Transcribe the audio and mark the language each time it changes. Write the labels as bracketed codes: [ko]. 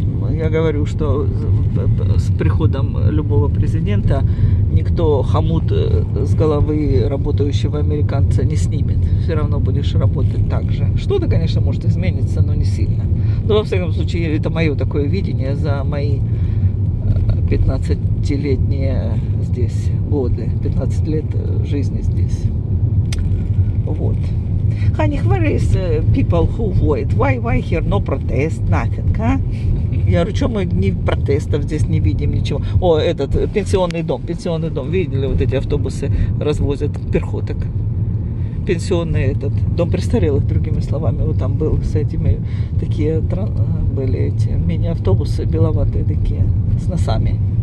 [ru] Я говорю, что с приходом любого президента никто хомут с головы работающего американца не снимет, все равно будешь работать так же. Что-то, конечно, может измениться, но не сильно. Ну, во всяком случае, это мое такое видение за мои 15-летние здесь годы, 15 лет жизни здесь. Вот. [en] Honey, where is people who vote? Why here no protest, nothing, а? [ru] Я говорю, что мы ни протестов здесь не видим, ничего. О, этот пенсионный дом. Видели, вот эти автобусы развозят перхоток. Пенсионный этот, дом престарелых, другими словами, вот там был с этими, такие были эти мини-автобусы, беловатые такие, с носами.